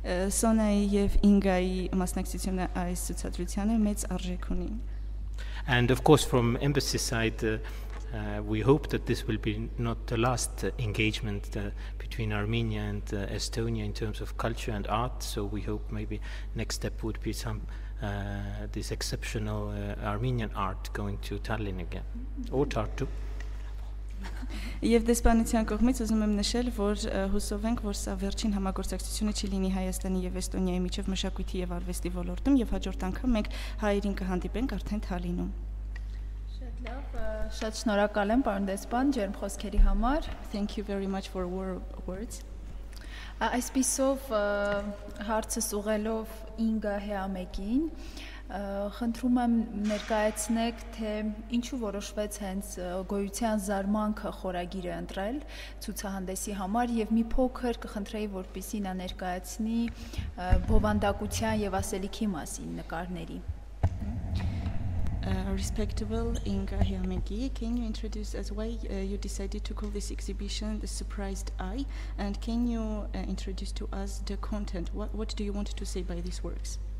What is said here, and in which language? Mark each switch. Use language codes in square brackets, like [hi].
[hy] Սոնայի եւ Ինգայի մասնակցությունը այս ցուցադրությանը մեծ արժեք ունի. [en] And of course from embassy side we hope that this will be not the last engagement between Armenia and Estonia in terms of culture and art, so we hope maybe next step would be some this exceptional Armenian art going to Tallinn again or Tartu. [hy] Եվ դեսպանության կողմից ուզում եմ նշել, որ հուսով ենք, որ սա վերջին համագործակցությունը չի լինի Հայաստանի եւ Էստոնիայի միջև մշակույթի եւ արվեստի ոլորտում, եւ հաջորդ անգամ մենք հայերին կհանդիպենք արդեն Թալինում։ Շատ լավ, շատ շնորհակալ եմ պարոն դեսպան ջերմ խոսքերի համար. [en] Thank you very much for your words. [hy] Այսպիսով հարցս ուղղելով Ինգա Հեամեկին, խնդրում եմ ներկայացնեք, թե ինչու որոշվեց հենց գոյության զարմանքը խորագիրը ընտրել ցուցահանդեսի համար, եւ մի փոքր կխնդրեի, որպեսզի նա ներկայացնի բովանդակության եւ ասելիքի մասին նկարների։ [en] Respectable Inga Hiamegi, can you introduce us why you decided to call this exhibition The Surprised Eye, and can you introduce to us the content? What do you want to say by these works?